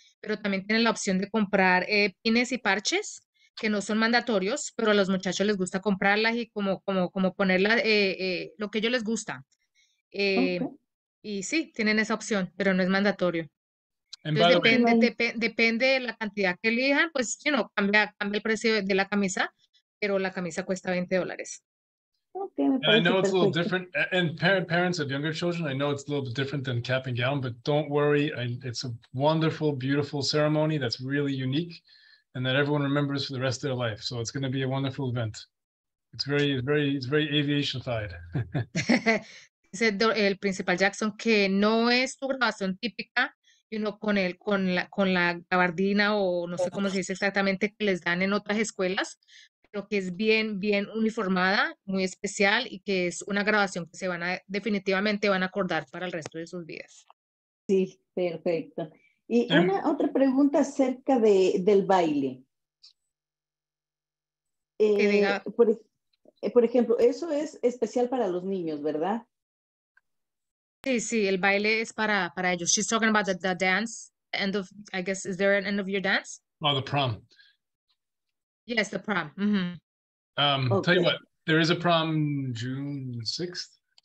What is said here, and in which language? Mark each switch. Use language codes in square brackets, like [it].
[es] Pero también tienen la opción de comprar pines y parches, que no son mandatorios, pero a los muchachos les gusta comprarlas y como ponerlas lo que a ellos les gusta. Y sí, tienen esa opción, pero no es mandatorio. Entonces, depende de la cantidad que elijan, pues cambia el precio de la camisa, pero la camisa cuesta $20. [en] Okay, I know it's a little different, and parents of younger children, I know it's a little bit different than cap and gown, but don't worry, it's a wonderful, beautiful ceremony that's really unique, and that everyone remembers for the rest of their life, so it's going to be a wonderful event. It's very aviation-fied. [es] Dice el principal Jackson que no es su grabación típica, [en] you know, [es] con el con la gabardina o no sé cómo se dice exactamente que les dan en otras escuelas, pero que es bien bien uniformada, muy especial y que es una grabación que se van a definitivamente van a acordar para el resto de sus vidas. Sí, perfecto. Y una otra pregunta acerca del baile. Por ejemplo, eso es especial para los niños, ¿verdad? Sí, sí, el baile es para ellos. [en] She's talking about the dance, end of, I guess, is there an end of your dance? Oh, the prom. Yes, the prom. Mm-hmm. Okay. Tell you what, there is a prom June 6th.